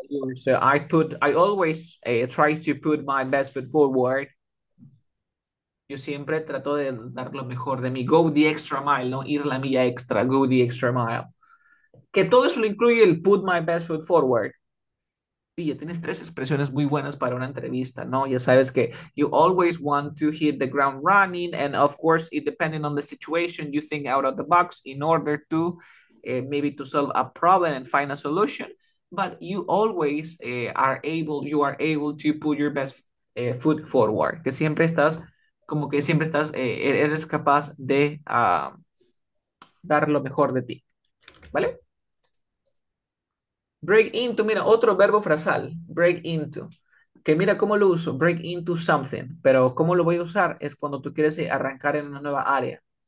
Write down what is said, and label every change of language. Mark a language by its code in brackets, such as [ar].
[en] I always try to put my best foot forward. [es] Yo siempre trato de dar lo mejor de mí. [en] Go the extra mile, [es] no ir la milla extra. [en] Go the extra mile. [es] Que todo eso lo incluye el [en] put my best foot forward. [es] Y ya tienes tres expresiones muy buenas para una entrevista, ¿no? Ya sabes que [en] you always want to hit the ground running, and of course, it depending on the situation, you think out of the box in order to. Maybe to solve a problem and find a solution, but you always you are able to put your best foot forward. [es] Que siempre estás, como que siempre estás, eres capaz de dar lo mejor de ti. ¿Vale? Break into, mira, otro verbo frasal, break into. Que mira cómo lo uso, break into something, pero cómo lo voy a usar es cuando tú quieres arrancar en una nueva área.